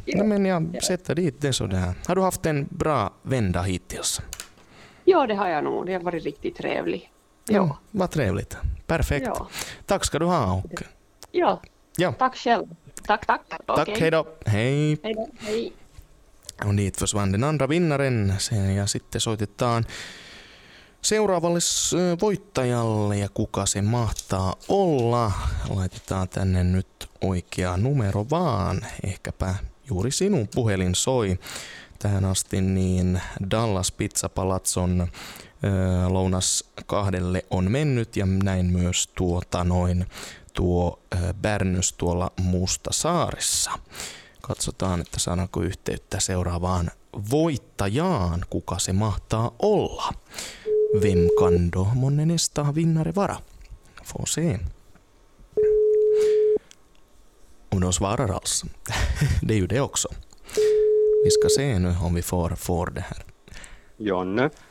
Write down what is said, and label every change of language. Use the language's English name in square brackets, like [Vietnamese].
[Swedish] No, men jag sätter dit det sådär. Har du haft en bra vända hittills? Ja, det har jag nog. Det har varit riktigt trevligt. Ja, vad trevligt. Perfekt. Ja. Tack ska du ha. Och... Ja. Ja, tack själv. Tack. Okay. Tack, hej då. Hej. Och dit försvann den andra vinnaren. [Finnish] Ja sitten soitetaan seuraavalle voittajalle. Ja kuka se mahtaa olla? Laitetaan tänne nyt oikea numero vaan. Ehkäpä juuri sinun puhelin soi tähän asti. Niin Dallas Pizza Palazzon lounas kahdelle on mennyt. Ja näin myös tuo Bärnys tuolla Mustasaaressa. Katsotaan, että saadaanko yhteyttä seuraavaan voittajaan. Kuka se mahtaa olla? [Swedish] Vem kan då månne nästa vinnare vara? Få se. Och då svarar alltså. Det är ju det också. Vi ska se nu om vi får det här. Jonne.